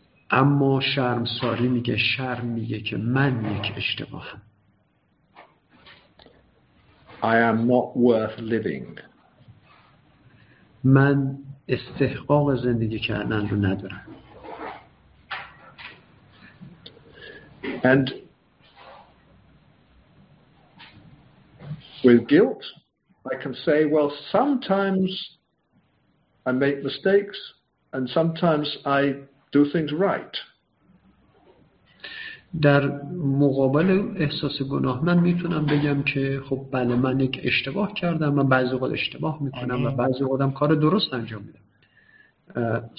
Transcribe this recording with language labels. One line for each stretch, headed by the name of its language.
Persian: اما شرمساری میگه شرم میگه که من یک اشتباهم.
English: I am not worth living.
Persian: من استحقاق زندگی کردن رو ندارم.
English: And with guilt, I can say, well, sometimes I make mistakes and sometimes I do things right.
Persian: در مقابل احساس گناه من میتونم بگم که خب بله من یک اشتباه کردم و بعضی وقت اشتباه میکنم و بعضی وقت هم کار درست انجام میدم.